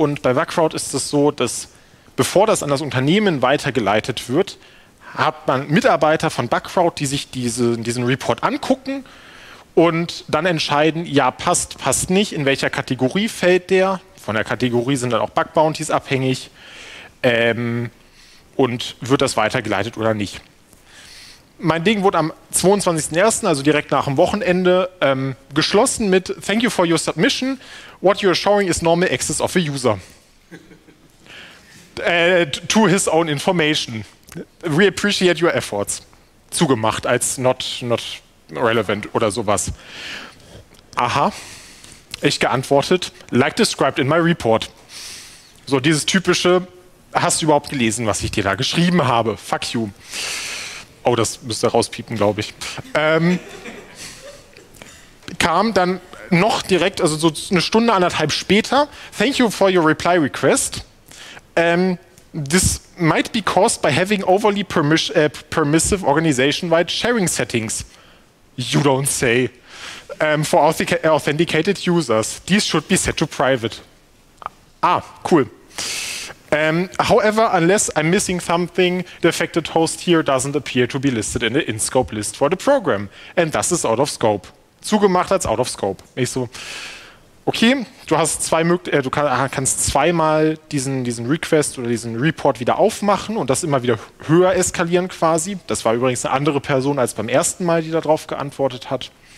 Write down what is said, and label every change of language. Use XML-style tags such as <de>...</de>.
<de>Und bei Bugcrowd ist es so, dass bevor das an das Unternehmen weitergeleitet wird, hat man Mitarbeiter von Bugcrowd, die sich diesen Report angucken und dann entscheiden, ja, passt, passt nicht, in welcher Kategorie fällt der. Von der Kategorie sind dann auch Bug-Bounties abhängig. Und wird das weitergeleitet oder nicht. Mein Ding wurde am 22.01., also direkt nach dem Wochenende, geschlossen mit</de> <en>Thank you for your submission. What you're showing is normal access of a user. To his own information. We appreciate your efforts.</en> <de>Zugemacht als</de> <en>not relevant</en> <de>oder sowas. Aha. Ich geantwortet,</de> <en>like described in my report.</en> <de>So dieses typische, hast du überhaupt gelesen, was ich dir da geschrieben habe?</de> <en>Fuck you.</en> <de>Oh, das müsste rauspiepen, glaube ich. Kam dann noch direkt, also so eine Stunde, anderthalb später,</de> <en>thank you for your reply request. This might be caused by having overly permissive organization-wide sharing settings. You don't say. For authenticated users. These should be set to private. Ah, cool. However, unless I'm missing something, the affected host here doesn't appear to be listed in the in-scope list for the program. And thus is out of scope.</en> <de>Zugemacht als</de> <en>out of scope.</en> <de>Ich so, okay, du kannst zweimal diesen Request oder diesen Report wieder aufmachen und das immer wieder höher eskalieren quasi. Das war übrigens eine andere Person als beim ersten Mal, die darauf geantwortet hat.</de>